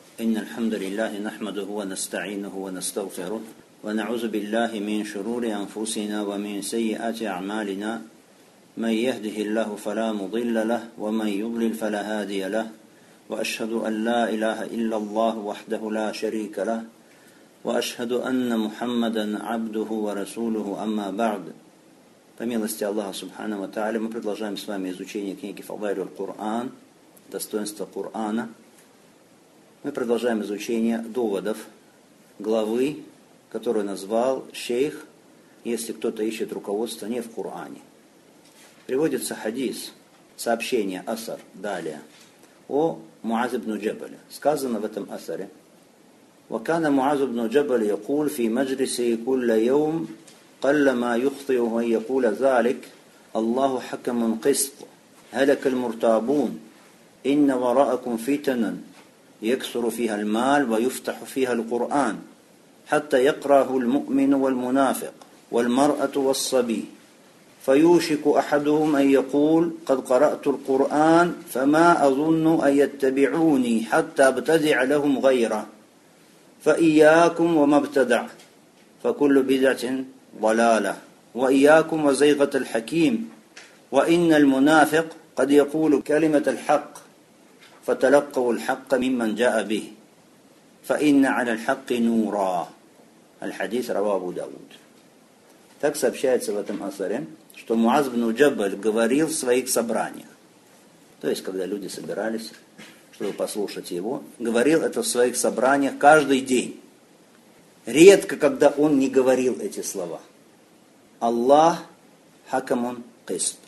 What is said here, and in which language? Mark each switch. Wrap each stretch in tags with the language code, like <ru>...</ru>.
<ar>إن الحمد لله نحمده ونستعينه ونستغفره ونعوذ بالله من شرور أنفسنا ومن سيئات أعمالنا، من يهده الله فلا مضل له ومن يضلل فلا هادي له، وأشهد أن لا إله إلا الله وحده لا شريك له، وأشهد أن محمدا عبده ورسوله، أما بعد.</ar> <ru>По милости Аллаха Субхана ва Тааля, мы продолжаем с вами изучение книги «Фадайлюль Куран», «Достоинство Курана». Мы продолжаем изучение доводов главы, которую назвал шейх «Если кто-то ищет руководство не в Куране». Приводится хадис, сообщение асар, далее, о Муазе ибн Джабале. Сказано в этом асаре:</ru> <ar>«Вакана Муаз ибн Джабаль якул фи маджлиси кулля йоум». قلما يخطئ من يقول ذلك الله حكم قسط هلك المرتابون إن وراءكم فتنا يكثر فيها المال ويفتح فيها القرآن حتى يقرأه المؤمن والمنافق والمرأة والصبي فيوشك أحدهم أن يقول قد قرأت القرآن فما أظن أن يتبعوني حتى ابتدع لهم غيره فإياكم وما ابتدع فكل بدعة ضلالة وإياكم وزيغة الحكيم وإن المنافق قد يقول كلمة الحق فتلقوا الحق ممن جاء به فإن على الحق نورا. الحديث رواه أبو داود.</ar> <ru>Так сообщается в этом асаре, что Муаз ибн Джабаль говорил в своих собраниях, то есть когда люди собирались, чтобы послушать его, говорил это в своих собраниях каждый день. Редко, когда он не говорил эти слова.</ru> <ar>Аллах хакамун кист.</ar>